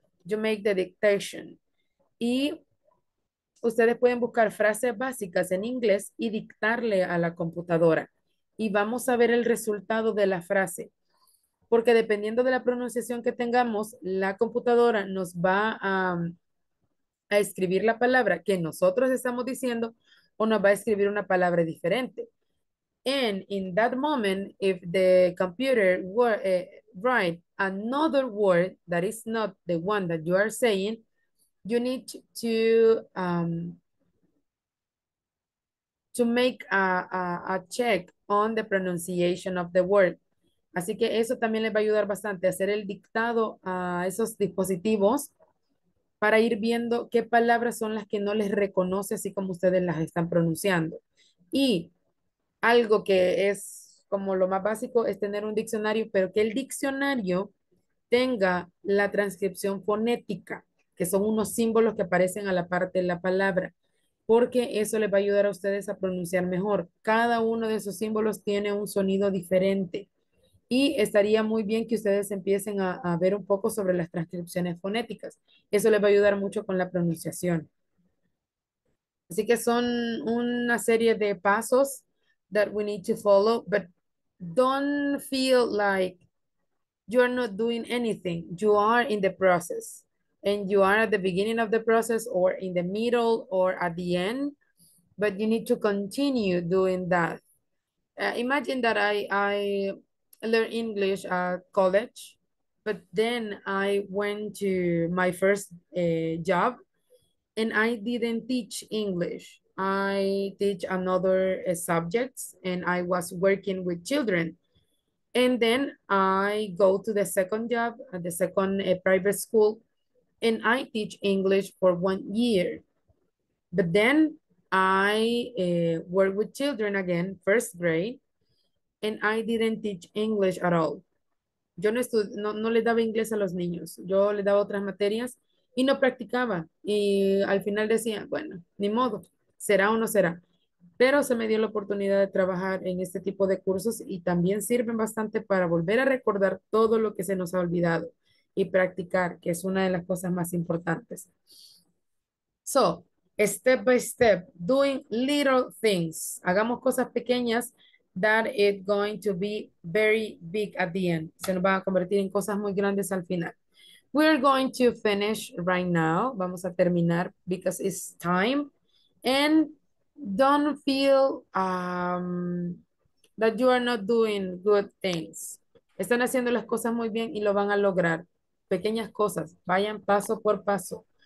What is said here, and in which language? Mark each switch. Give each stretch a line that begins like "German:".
English: You make the dictation.
Spanish: Y ustedes pueden buscar frases básicas en inglés y dictarle a la computadora. Y vamos a ver el resultado de la frase. Porque dependiendo de la pronunciación que tengamos, la computadora nos va a escribir la palabra que nosotros estamos diciendo o nos va a escribir una palabra diferente.
English: And in that moment, if the computer write another word that is not the one that you are saying, you need to make a check on the pronunciation of the word.
Spanish: Así que eso también les va a ayudar bastante, hacer el dictado a esos dispositivos para ir viendo qué palabras son las que no les reconoce así como ustedes las están pronunciando. Y algo que es como lo más básico es tener un diccionario, pero que el diccionario tenga la transcripción fonética, que son unos símbolos que aparecen a la parte de la palabra, porque eso les va a ayudar a ustedes a pronunciar mejor. Cada uno de esos símbolos tiene un sonido diferente. Y estaría muy bien que ustedes empiecen a ver un poco sobre las transcripciones fonéticas. Eso les va a ayudar mucho con la pronunciación. Así que son una serie de pasos
English: that we need to follow, but don't feel like you are not doing anything. You are in the process. And you are at the beginning of the process or in the middle or at the end, but you need to continue doing that. Imagine that I learn English at college, but then I went to my first job and I didn't teach English. I teach another subjects and I was working with children. And then I go to the second job at the second private school and I teach English for 1 year. But then I work with children again, first grade, and I didn't teach English at all.
Spanish: Yo no le daba inglés a los niños. Yo le daba otras materias y no practicaba. Y al final decía, bueno, ni modo, será o no será. Pero se me dio la oportunidad de trabajar en este tipo de cursos y también sirven bastante para volver a recordar todo lo que se nos ha olvidado y practicar, que es una de las cosas más importantes.
English: So, step by step, doing little things.
Spanish: Hagamos cosas pequeñas.
English: That it's going to be very big at the end.
Spanish: Se nos va a convertir en cosas muy grandes al final.
English: We are going to finish right now.
Spanish: Vamos a terminar
English: because it's time. And don't feel that you are not doing good things.
Spanish: Están haciendo las cosas muy bien y lo van a lograr. Pequeñas cosas. Vayan paso por paso.